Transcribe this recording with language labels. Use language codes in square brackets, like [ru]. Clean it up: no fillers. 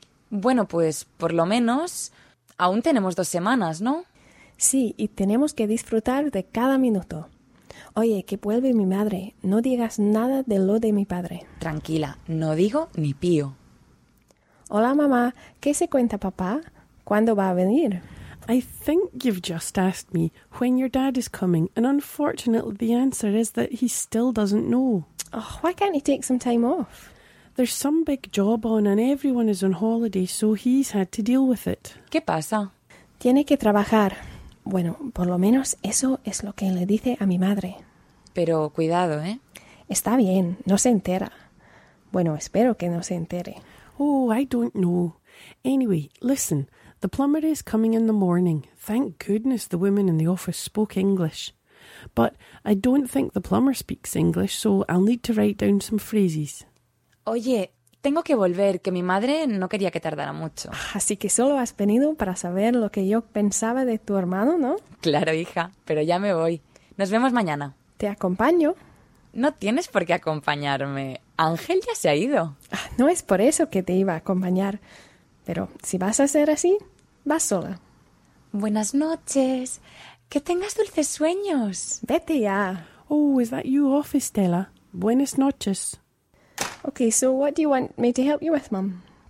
[es] Bueno, pues por lo menos aún tenemos 2 semanas, ¿no? Sí, y tenemos que disfrutar de cada minuto. Oye, que vuelve mi madre. No digas nada de lo de mi padre. Tranquila, no digo ni pío. Hola, mamá. ¿Qué se cuenta, papá? ¿Cuándo va a venir? [en] I think you've just asked me when your dad is coming, and unfortunately the answer is that he still doesn't know. Oh, why can't he take some time off? There's some big job on and everyone is on holiday, so he's had to deal with it. [es] ¿Qué pasa? Tiene que trabajar. Bueno, por lo menos eso es lo que le dice a mi madre. Pero cuidado, ¿eh? Está bien, no se entera. Bueno, espero que no se entere. [en] Oh, I don't know. Anyway, listen, the plumber is coming in the morning. Thank goodness the woman in the office spoke English. But I don't think the plumber speaks English, so I'll need to write down some phrases. [es] Oye, tengo que volver, que mi madre no quería que tardara mucho. Así que solo has venido para saber lo que yo pensaba de tu hermano, ¿no? Claro, hija, pero ya me voy. Nos vemos mañana. Te acompaño. No tienes por qué acompañarme. Ángel ya se ha ido. No es por eso que te iba a acompañar. Pero si vas a ser así, vas sola. Buenas noches. Que tengas dulces sueños. Vete ya. [en] Oh, is that you off, Estela? [es] Buenas noches. [en] Okay, so what do you want me to help you with, Mum?